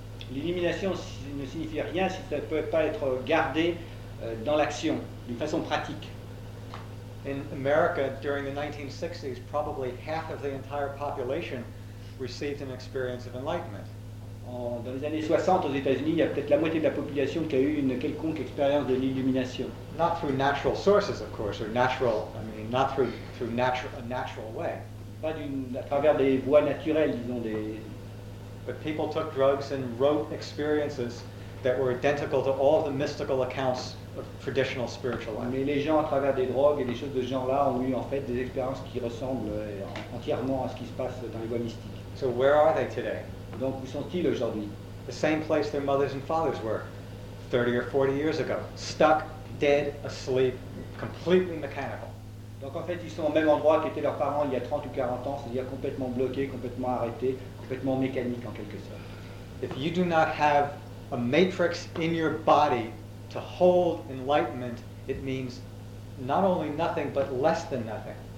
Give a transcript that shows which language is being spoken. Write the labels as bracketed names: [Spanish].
[French] L'illumination ne signifie rien si ça ne peut pas être gardé dans l'action, d'une façon pratique. [English] In America, during the 1960s, probably half of the entire population received an experience of enlightenment. [French] Dans les années 60 aux États-Unis, il y a peut-être la moitié de la population qui a eu une quelconque expérience de l'illumination. [English] Not through natural sources, of course, or natural, I mean, not through natural, a natural way. [French] Pas à travers des voies naturelles, disons, des... [English] But people took drugs and wrote experiences that were identical to all the mystical accounts of traditional spiritual life. [French] Mais les gens, à travers des drogues et des choses de ce genre-là, ont eu en fait des expériences qui ressemblent entièrement à ce qui se passe dans les voies mystiques. [English] So where are they today? [French] Donc où sont-ils aujourd'hui? [English] The same place their mothers and fathers were 30 or 40 years ago. Stuck, dead, asleep, completely mechanical. [French] Donc en fait, ils sont au même endroit qu'étaient leurs parents il y a 30 ou 40 ans, c'est-à-dire complètement bloqués, complètement arrêtés, complètement mécaniques en quelque sorte. [English] If you do not have a matrix in your body to hold enlightenment, it means not only nothing, but less than nothing.